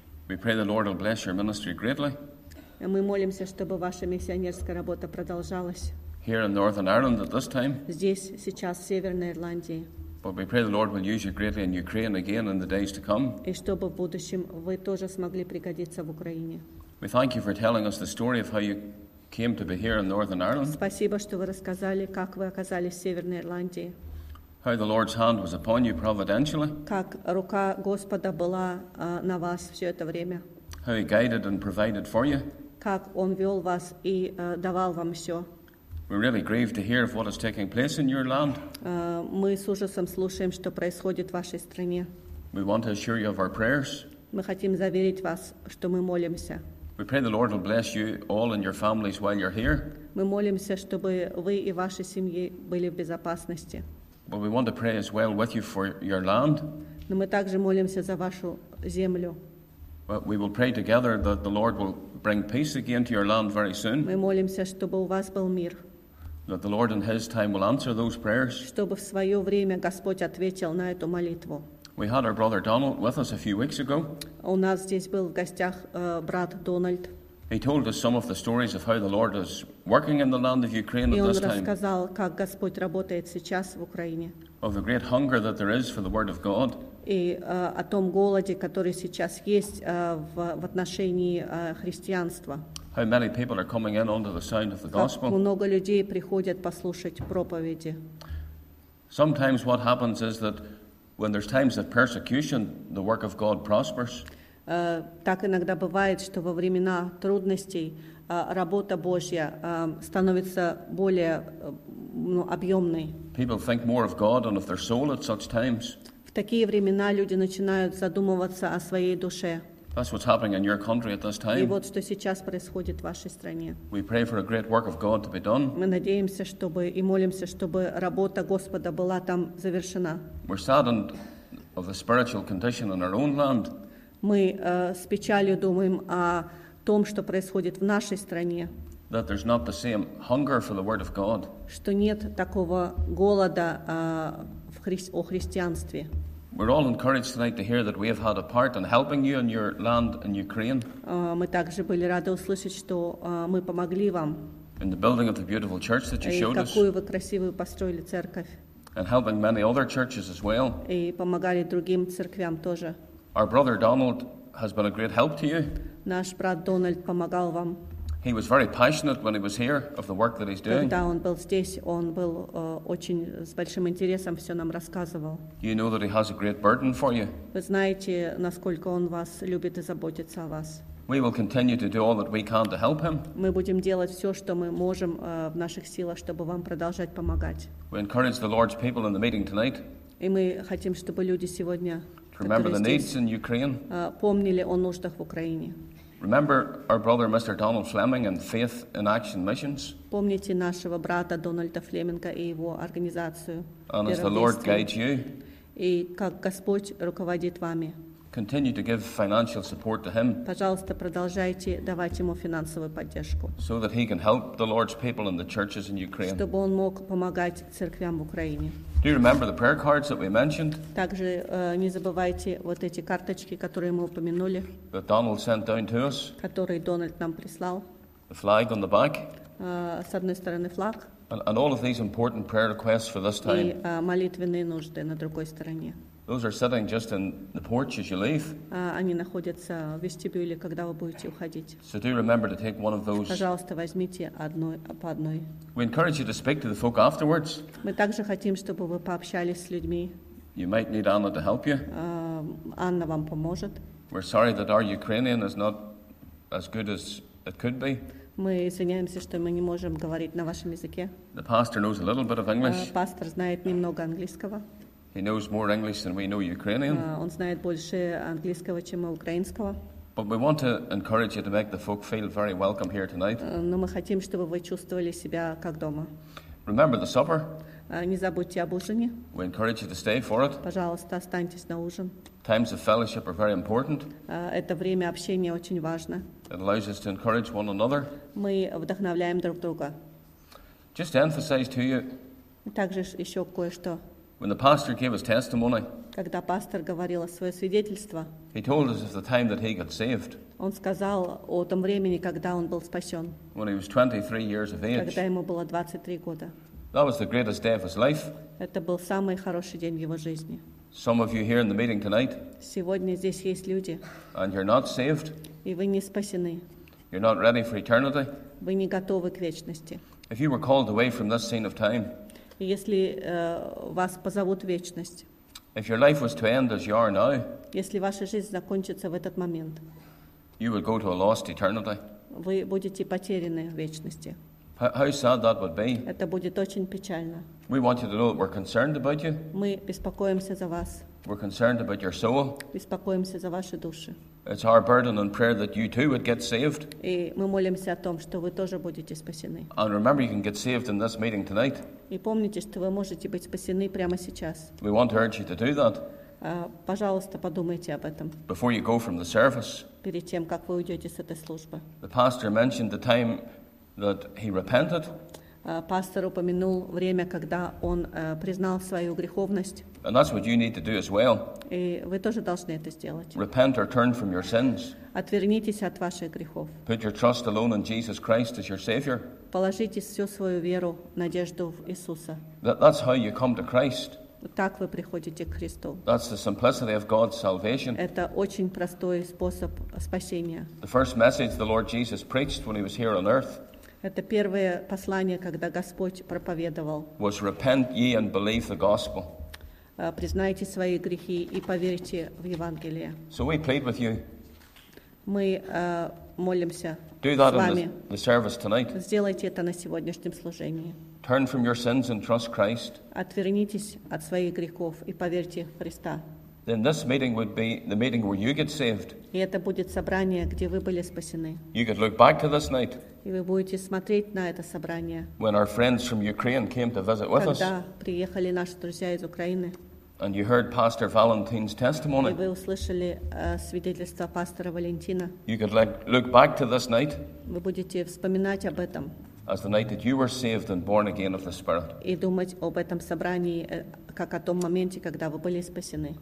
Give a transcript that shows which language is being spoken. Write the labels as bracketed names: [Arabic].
[English] We pray the Lord will bless your ministry greatly. [Russian] Мы молимся, чтобы ваша миссионерская работа продолжалась. [English] Here in Northern Ireland at this time. [Russian] Здесь сейчас в Северной Ирландии. [English] But we pray the Lord will use you greatly in Ukraine again in the days to come. [Russian] И чтобы в будущем вы тоже смогли пригодиться в Украине. [English] We thank you for telling us the story of how you came to be here in Northern Ireland. [Russian] Спасибо, что вы рассказали, как вы оказались в Северной Ирландии. [English] How the Lord's hand was upon you providentially. [Russian] Как рука Господа была на вас все это время. [English] How he guided and provided for you. [Russian] Как он вел вас и давал вам все. [English] We're really grieved to hear of what is taking place in your land. [Russian] Мы с ужасом слушаем, что происходит в вашей стране. [English] We want to assure you of our prayers. [Russian] Мы хотим заверить вас, что мы молимся. [English] We pray the Lord will bless you all and your families while you're here. [Russian] Мы молимся, чтобы вы и ваши семьи были в безопасности. [English] But we want to pray as well with you for your land. [Russian] Но мы также молимся за вашу землю. [English] But we will pray together that the Lord will bring peace again to your land very soon. [Russian] Мы молимся, чтобы у вас был мир. [English] That the Lord in His time will answer those prayers. [Russian] Чтобы в свое время Господь ответил на эту молитву. [English] We had our brother Donald with us a few weeks ago. [Russian] У нас здесь был в гостях брат Дональд. [English] He told us some of the stories of how the Lord is working in the land of Ukraine at this time. [Russian] И он рассказал, как Господь работает сейчас в Украине. [English] Of the great hunger that there is for the Word of God. [Russian] И о том голоде, который сейчас есть в отношении христианства. [English] How many people are coming in under the sound of the gospel. [Russian] Как много людей приходят послушать проповеди. [English] Sometimes what happens is that when there's times of persecution, the work of God prospers. [Russian] Так иногда бывает, что во времена трудностей работа Божья становится более объемной. [English] People think more of God and of their soul at such times. [Russian] В такие времена люди начинают задумываться о своей душе. [English] That's what's happening in your country at this time. [Russian] И вот что сейчас происходит в вашей стране. [English] We pray for a great work of God to be done. [Russian] Мы надеемся, чтобы и молимся, чтобы работа Господа была там завершена. [English] We're saddened of the spiritual condition in our own land. [Russian] Мы с печалью думаем о том, что происходит в нашей стране. [English] That there's not the same hunger for the word of God. [Russian] Что нет такого голода о христианстве. [English] We're all encouraged tonight to hear that we have had a part in helping you in your land in Ukraine. [Russian] Мы также были рады услышать, что мы помогли вам. [English] In the building of the beautiful church that you showed us. [Russian] Какую вы красивую построили церковь. [English] And helping many other churches as well. [Russian] И помогали другим церквям тоже. [English] Our brother Donald has been a great help to you. [Russian] Наш брат Дональд помогал вам. [English] He was very passionate when he was here of the work that he's doing. [Russian] Когда он был здесь, он был очень с большим интересом все нам рассказывал. [English] You know that he has a great burden for you. [Russian] Вы знаете, насколько он вас любит и заботится о вас. [English] We will continue to do all that we can to help him. [Russian] Мы будем делать все, что мы можем в наших силах, чтобы вам продолжать помогать. [English] We encourage the Lord's people in the meeting tonight. [Russian] И мы хотим, чтобы люди сегодня, [English] remember the needs in Ukraine. [Russian] Помнили о нуждах в Украине. [English] Remember our brother Mr. Donald Fleming and Faith in Action Missions. [Russian] Помните нашего брата Дональда Флеминга и его организацию. [English] And as the Lord guides you. [Russian] И как Господь руководит вами. [English] Continue to give financial support to him. [Russian] Пожалуйста, продолжайте давать ему финансовую поддержку. [English] So that he can help the Lord's people and the churches in Ukraine. [Russian] Чтобы он мог помогать церквям в Украине. [English] Do you remember the prayer cards that we mentioned? [Russian] Также не забывайте вот эти карточки, которые мы упомянули. [English] That Donald sent down to us. [Russian] Которые Дональд нам прислал. [English] The flag on the back. [Russian] С одной стороны флаг. [English] And all of these important prayer requests for this time. [Russian] И молитвенные нужды на другой стороне. [English] Those are sitting just in the porch as you leave. [Russian] Они находятся в вестибюле, когда вы будете уходить. [English] So do remember to take one of those. [Russian] Пожалуйста, возьмите одну по одной. [English] We encourage you to speak to the folk afterwards. [Russian] Мы также хотим, чтобы вы пообщались с людьми. [English] You might need Anna to help you. [Russian] Анна вам поможет. [English] We're sorry that our Ukrainian is not as good as it could be. [Russian] Мы извиняемся, что мы не можем говорить на вашем языке. [English] The pastor knows a little bit of English. [Russian] Пастор знает немного английского. [English] He knows more English than we know Ukrainian. [Russian] Он знает больше английского, чем украинского. [English] But we want to encourage you to make the folk feel very welcome here tonight. [Russian] Но мы хотим, чтобы вы чувствовали себя как дома. [English] Remember the supper. [Russian] Не забудьте об ужине. [English] We encourage you to stay for it. [Russian] Пожалуйста, останьтесь на ужин. [English] Times of fellowship are very important. [Russian] Это время общения очень важно. [English] It allows us to encourage one another. [Russian] Мы вдохновляем друг друга. [English] Just to emphasize to you. [Russian] Также еще кое-что. [English] When the pastor gave his testimony. [Russian] Когда пастор говорил о своем свидетельстве. [English] He told us of the time that he got saved. [Russian] Он сказал о том времени, когда он был спасен. [English] When he was 23 years of age. [Russian] Когда ему было 23 года. [English] That was the greatest day of his life. [Russian] Это был самый хороший день в его жизни. [English] Some of you here in the meeting tonight. [Russian] Сегодня здесь есть люди. [English] And you're not saved. [Russian] И вы не спасены. [English] You're not ready for eternity. [Russian] Вы не готовы к вечности. [English] If you were called away from this scene of time. [Russian] Если вас позовут в вечность. [English] If your life was to end as you are now. [Russian] Если ваша жизнь закончится в этот момент. [English] You would go to a lost eternity. [Russian] Вы будете потеряны в вечности. [English] How sad that would be. [Russian] Это будет очень печально. [English] We want you to know that we're concerned about you. [Russian] Мы беспокоимся за вас. [English] We're concerned about your soul. [Russian] Беспокоимся за ваши души. [English] It's our burden and prayer that you too would get saved. [Russian] И мы молимся о том, что вы тоже будете спасены. [English] And remember, you can get saved in this meeting tonight. [Russian] И помните, что вы можете быть спасены прямо сейчас. [English] We want to urge you to do that. [Russian] Пожалуйста, подумайте об этом. [English] Before you go from the service. [Russian] Перед тем, как вы уйдете с этой службы. [English] The pastor mentioned the time that he repented. [Russian] Пастор упомянул время, когда он признал свою греховность. [English] And that's what you need to do as well. [Russian] И вы тоже должны это сделать. [English] Repent or turn from your sins. [Russian] Отвернитесь от ваших грехов. [English] Put your trust alone in Jesus Christ as your Savior. [Russian] Положите всю свою веру, надежду в Иисуса. [English] That's how you come to Christ. [Russian] Так вы приходите к Христу. [English] That's the simplicity of God's salvation. [Russian] Это очень простой способ спасения. [English] The first message the Lord Jesus preached when he was here on earth. [Russian] Это первое послание, когда Господь проповедовал. [English] Was repent ye and believe the gospel. [Russian] Признайте свои грехи и поверьте в Евангелие. [English] So we plead with you. [Russian] Мы молимся [English] do that [Russian] с вами. [English] In the service tonight. [Russian] Сделайте это на сегодняшнем служении. [English] Turn from your sins and trust Christ. [Russian] Отвернитесь от своих грехов и поверьте в Христа. [English] Then this meeting would be the meeting where you get saved. [Russian] И это будет собрание, где вы были спасены. [English] You could look back to this night. [Russian] И вы будете смотреть на это собрание. [English] When our friends from Ukraine came to visit with us. [Russian] Когда приехали наши друзья из Украины. [English] And you heard Pastor Valentin's testimony. [Russian] И вы услышали свидетельство пастора Валентина. [English] You could look back to this night. [Russian] Вы будете вспоминать об этом. [English] As the night that you were saved and born again of the Spirit. [Russian] И думать об этом собрании, как о том моменте, когда вы были спасены.